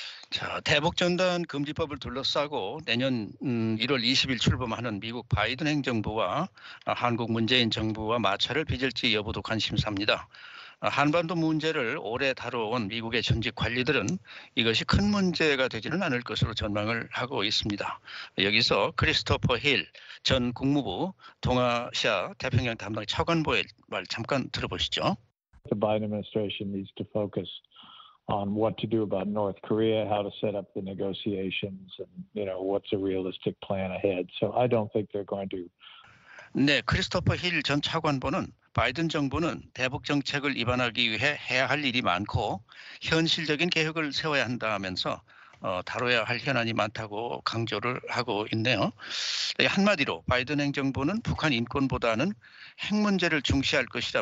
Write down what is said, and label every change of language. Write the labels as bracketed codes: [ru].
[ko] 자, 대북 전단 금지법을 둘러싸고 내년 1월 20일 출범하는 미국 바이든 행정부와 한국 문재인 정부와 마찰을 빚을지 여부도 관심사입니다. 한반도 문제를 오래 다뤄온 미국의 전직 관리들은 이것이 큰 문제가 되지는 않을 것으로 전망을 하고 있습니다. 여기서 크리스토퍼 힐 전 국무부 동아시아 태평양 담당 차관보의 말 잠깐 들어보시죠. [en] The Biden administration needs to focus on what to do about North Korea, how to set up the negotiations, and you know what's a realistic plan ahead. So I don't think they're going to. [ko] 네, 크리스토퍼 힐 전 차관보는 바이든 정부는 대북 정책을 입안하기 위해 해야 할 일이 많고 현실적인 계획을 세워야 한다면서 다뤄야 할 현안이 많다고 강조를 하고 있네요. 네, 한마디로 바이든 행정부는 북한 인권보다는 핵 문제를 중시할 것이다.